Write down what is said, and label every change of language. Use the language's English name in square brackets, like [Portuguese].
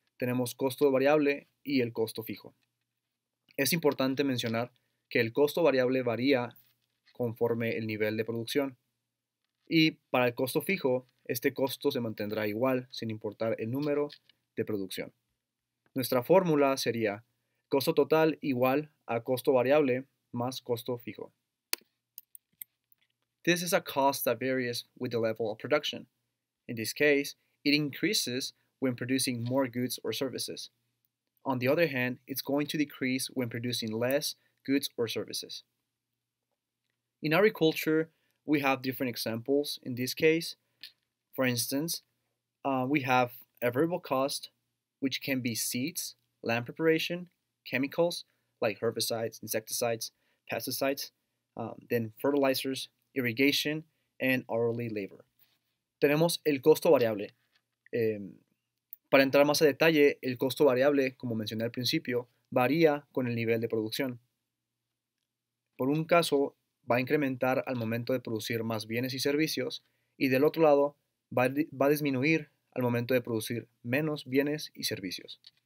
[Spanish] Tenemos costo variable y el costo fijo. Es importante mencionar que el costo variable varía conforme el nivel de producción. Y para el costo fijo, este costo se mantendrá igual sin importar el número de producción. Nuestra fórmula sería costo total igual a costo variable más costo fijo. [English] This is a cost that varies with the level of production. In this case, it increases when producing more goods or services. On the other hand, it's going to decrease when producing less goods or services. In agriculture, we have different examples in this case. For instance, we have a variable cost, which can be seeds, land preparation, chemicals like herbicides, insecticides, pesticides, then fertilizers, irrigation, and hourly labor. [Spanish] Tenemos el costo variable. Para entrar más a detalle, el costo variable, como mencioné al principio, varía con el nivel de producción. Por un caso, va a incrementar al momento de producir más bienes y servicios, y del otro lado, va a disminuir al momento de producir menos bienes y servicios.